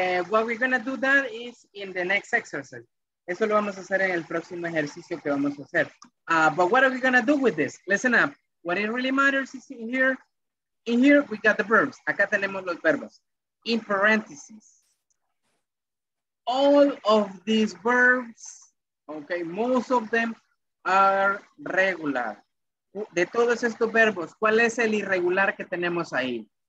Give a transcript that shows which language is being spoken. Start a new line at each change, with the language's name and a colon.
English: What we're gonna do that is in the next exercise.
Spanish: Eso lo vamos a hacer en el próximo ejercicio que vamos a hacer.
English: But what are we gonna do with this? Listen up. What it really matters is in here we got the verbs.
Spanish: Acá tenemos los verbos.
English: In parentheses. All of these verbs, okay, most of them are regular.
Spanish: De todos estos verbos, ¿cuál es el irregular que tenemos ahí?